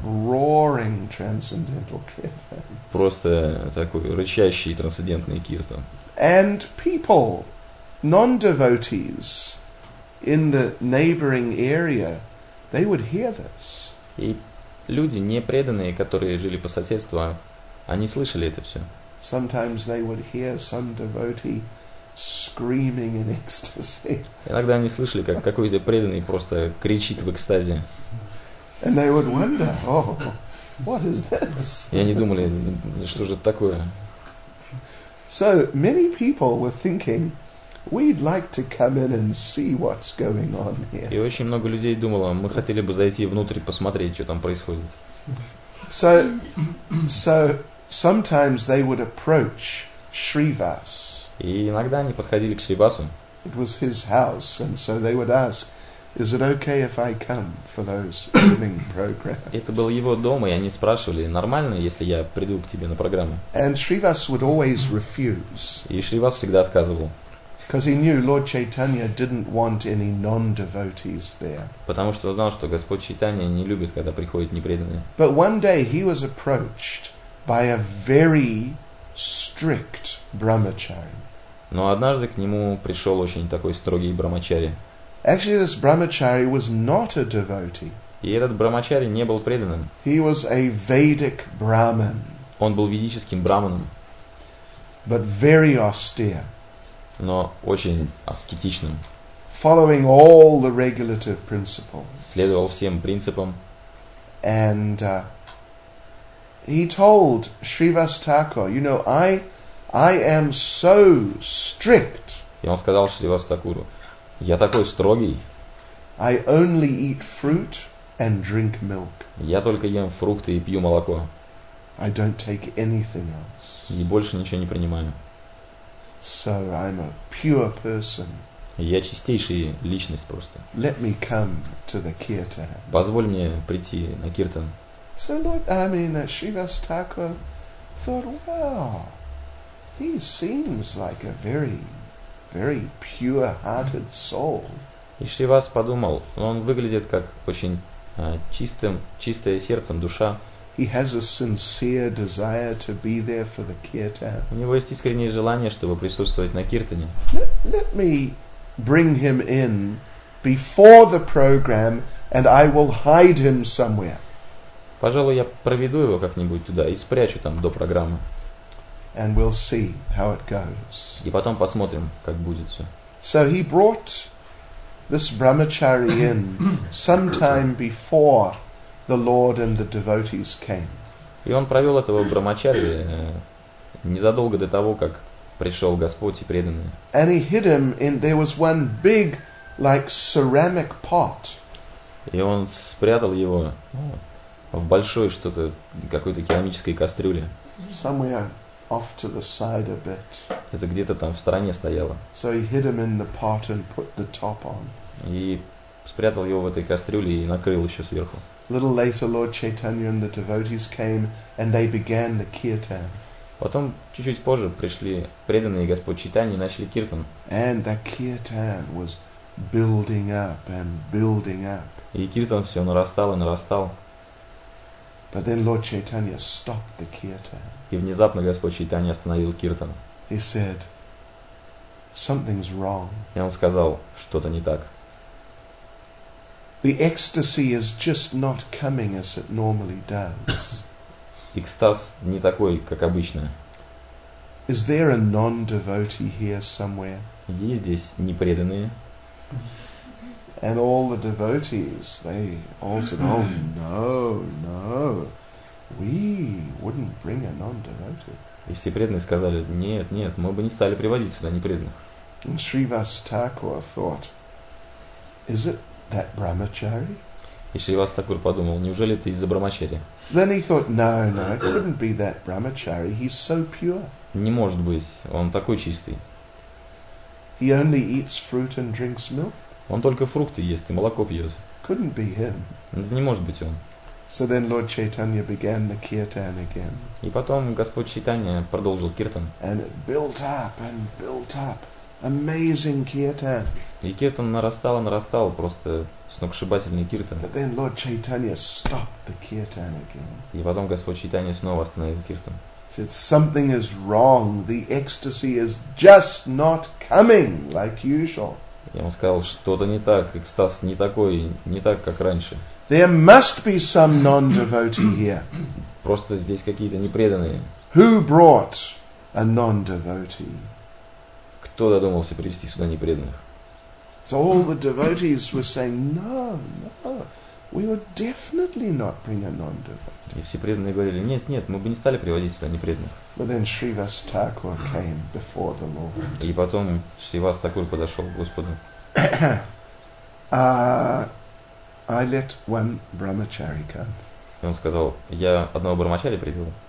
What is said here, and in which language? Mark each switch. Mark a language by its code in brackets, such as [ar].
[en] Roaring transcendental kirtans. [ru] Просто такой рычащий трансцендентный киртан. [en] And people, non-devotees, in the neighboring area, they would hear this. [ru] И люди непреданные, которые жили по соседству, они слышали это все. [en] Sometimes they would hear some devotee screaming in ecstasy. [ru] Иногда они слышали, как какой-то преданный просто кричит в экстазе. [en] And they would wonder, oh, what is this? [ru] И они думали, что же это такое? [en] So many people were thinking, we'd like to come in and see what's going on here. [ru] И очень много людей думало, мы хотели бы зайти внутрь и посмотреть, что там происходит. [en] So sometimes they would approach Shrivas. [ru] И иногда они подходили к Шривасу. [en] It was his house, and so they would ask, "Is it okay if I come for those evening programs?" [ru] Это был его дом, и они спрашивали: "Нормально, если я приду к тебе на программу?" [en] And Shrivas would always refuse. [ru] И Шривас всегда отказывал. [en] Because he knew Lord Chaitanya didn't want any non-devotees there. [ru] Потому что знал, что Господь Чайтанья не любит, когда приходят непреданные. [en] But one day he was approached by a very strict brahmachari. [ru] Но однажды к нему пришел очень такой строгий брахмачари. [en] Actually, this brahmachari was not a devotee. [ru] И этот брахмачари не был преданным. [en] He was a Vedic Brahman. [ru] Он был ведическим брахманом. [en] But very austere. [ru] Но очень аскетичным. [en] Following all the regulative principles. [ru] Следовал всем принципам. [en] And he told Shrivas Thakur, you know, I am so strict. [ru] И он сказал Шривас Такуру: "Я такой строгий. [en] I only eat fruit and drink milk. [ru] Я только ем фрукты и пью молоко. [en] I don't take anything else. [ru] И больше ничего не принимаю. [en] So I'm a pure person. [ru] Я чистейшая личность просто. [en] Let me come to the kirtan. [ru] Позволь мне прийти на киртан." [en] So Lord, I mean, Shrivas Thakur thought, "Wow, he seems like a very, very pure-hearted soul." [ru] И Шривас подумал, он выглядит как очень чистое сердцем душа. [en] He has a sincere desire to be there for the kirtan. [ru] У него есть искреннее желание, чтобы присутствовать на киртане. [en] Let me bring him in before the program, and I will hide him somewhere. [ru] Пожалуй, я проведу его как-нибудь туда и спрячу там до программы. [en] And we'll see how it goes. [ru] И потом посмотрим, как будет все. [en] So he brought this brahmachari in sometime before the Lord and the devotees came. [ru] И он провел этого брахмачари незадолго до того, как пришел Господь и преданные. [en] And he hid him in, there was one big, like, ceramic pot. [ru] И он спрятал его в большой что-то, какой-то керамической кастрюле. [en] Somewhere off to the side a bit. [ru] Это где-то там в стороне стояло. [en] So he hid him in the pot and put the top on. [ru] И спрятал его в этой кастрюле и накрыл еще сверху. [en] Little later, Lord Chaitanya and the devotees came, and they began the kirtan. [ru] Потом чуть-чуть позже пришли преданные Господь Чайтанья и начали киртан. [en] And the kirtan was building up and building up. [ru] И киртан все нарастал и нарастал. [en] But then Lord Chaitanya stopped the kirtan. [ru] И внезапно Господь Чайтанья остановил киртан. [en] He said, "Something's wrong." [ru] И он сказал: "Что-то не так." [en] The ecstasy is just not coming as it normally does. [ru] Экстаз не такой, как обычно. [en] Is there a non-devotee here somewhere? [ru] Где здесь непреданные? [en] And all the devotees, they all said, "Oh no, no, we wouldn't bring a non-devotee." [ru] И все преданные сказали: "Нет, нет, мы бы не стали приводить сюда непреданных." [en] And Shrivas Thakur thought, "Is it that brahmachari?" [ru] И Шривас Такур подумал: неужели это из-за брахмачари? [en] Then he thought, no, it couldn't be that brahmachari. He's so pure. [ru] Не может быть, он такой чистый. [en] He only eats fruit and drinks milk. [ru] Он только фрукты ест и молоко пьет. [en] Couldn't be him. [ru] Это не может быть он. [en] So then Lord Chaitanya began the kirtan again. [ru] И потом Господь Чайтанья продолжил киртан. [en] And it built up and built up. Amazing kirtan. [ru] И киртан нарастал и нарастал, просто сногсшибательный киртан. [en] But then Lord Chaitanya stopped the kirtan again. [ru] И потом Господь Чайтанья снова остановил киртан. [en] Said, "Something is wrong. The ecstasy is just not coming like usual." [ru] И он сказал: что-то не так, экстаз не такой, не так, как раньше. [en] There must be some non-devotee here. [ru] Просто здесь какие-то непреданные. [en] Who brought a non-devotee? [ru] Кто додумался привести сюда непреданных? [en] So all the devotees were saying, no, we would definitely not bring a non-devotee. [ru] И все преданные говорили: нет, нет, мы бы не стали приводить сюда непреданных. [en] But then Shrivas Thakur came before the Lord. [ru] И потом Шривас Такур подошел к Господу. [en] I let one brahmachari come. [ru] И он сказал: я одного брахмачари привел.